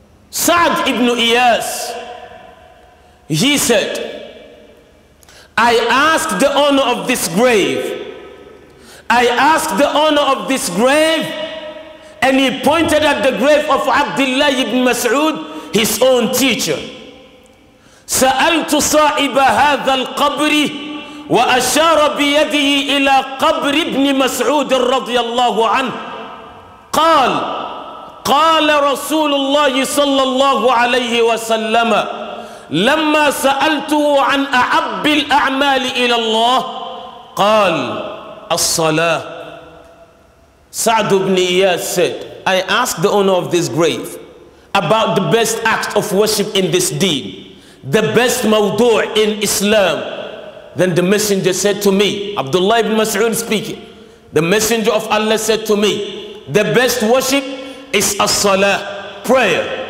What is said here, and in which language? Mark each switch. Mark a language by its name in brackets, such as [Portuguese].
[English] Sa'd ibn Iyas, he said, I ask the honor of this grave. I ask the honor of this grave. And he pointed at the grave of Abdullah ibn Mas'ud, his own teacher. [Arabic] سألت صاحب هذا القبر وأشار بيده إلى قبر ابن مسعود رضي الله عنه. قال قال رسول الله صلى الله عليه وسلم لما سألته عن أحب الأعمال إلى الله قال الصلاة. [English] Sa'd ibn Iyas said, I asked the owner of this grave about the best act of worship in this deen, the best mawdu' in Islam. Then the messenger said to me, Abdullah ibn Mas'ud speaking, the messenger of Allah said to me, the best worship is as-salah, prayer.